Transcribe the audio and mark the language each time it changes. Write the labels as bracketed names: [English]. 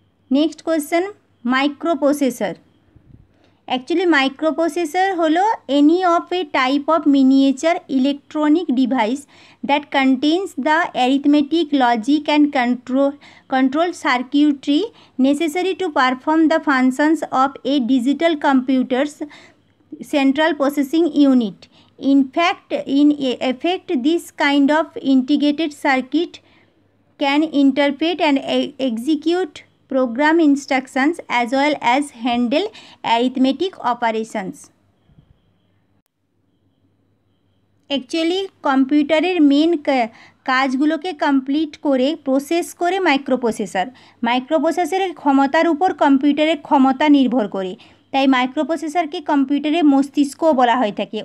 [English] Next question, microprocessor? Actually microprocessor হলো any of a type of miniature electronic device that contains the arithmetic logic and control circuitry necessary to perform the functions of a digital computer's central processing unit. In effect, this kind of integrated circuit can interpret and execute program instructions as well as handle arithmetic operations. [Bangla] Actually, কম্পিউটারের main কাজগুলোকে complete করে process করে microprocessor. মাইক্রোপ্রসেসরের ক্ষমতার উপর কম্পিউটারের ক্ষমতা নির্ভর করে, তাই মাইক্রোপ্রসেসরকে কম্পিউটারের মস্তিষ্কও বলা হয়ে থাকে।